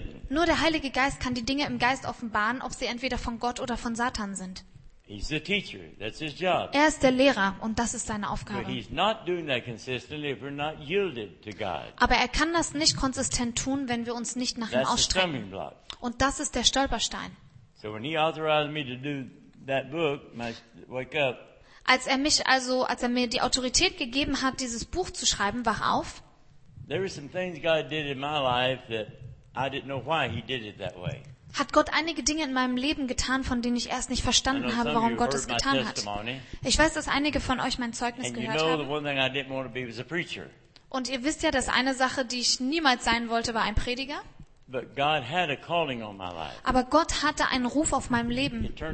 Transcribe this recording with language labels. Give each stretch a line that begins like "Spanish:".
German: Nur der Heilige Geist kann die Dinge im Geist offenbaren, ob sie entweder von Gott oder von Satan sind.
English: He's the teacher. That's his job.
German: Er ist der Lehrer und das ist seine Aufgabe.
English: But he's not doing that consistently if we're not yielded to God.
German: Aber er kann das nicht konsistent tun, wenn wir uns nicht nach ihm ausstrecken. Und das ist der Stolperstein.
English: So when he authorized me to do that book, my wake up.
German: Als er mir die Autorität gegeben hat, dieses Buch zu schreiben, wach auf.
English: There were some things God did in my life that I didn't know why he did it that way.
German: Hat Gott einige Dinge in meinem Leben getan, von denen ich erst nicht verstanden habe, warum Gott es getan hat. Ich weiß, dass einige von euch mein Zeugnis gehört haben. Und ihr wisst ja, dass eine Sache, die ich niemals sein wollte, war ein Prediger. Aber Gott hatte einen Ruf auf meinem Leben.